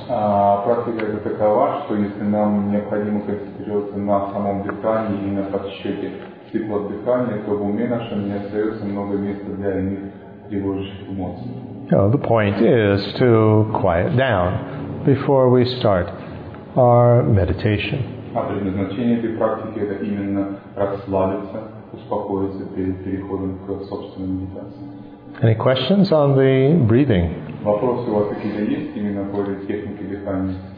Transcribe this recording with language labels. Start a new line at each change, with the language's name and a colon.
Russian: Практика это такова, что если нам необходимо концентрироваться на самом дыхании и на подсчете циклов дыхания, то в уме нашем не остается много места для иных тревожащих эмоций.
English: The point is to quiet down before we start our meditation.
Russian: А предназначение этой практики это именно расслабиться, успокоиться перед переходом к собственной медитации.
English: Any questions on the breathing?
Russian: Вопросы у вас какие-то есть именно по этой технике дыхания?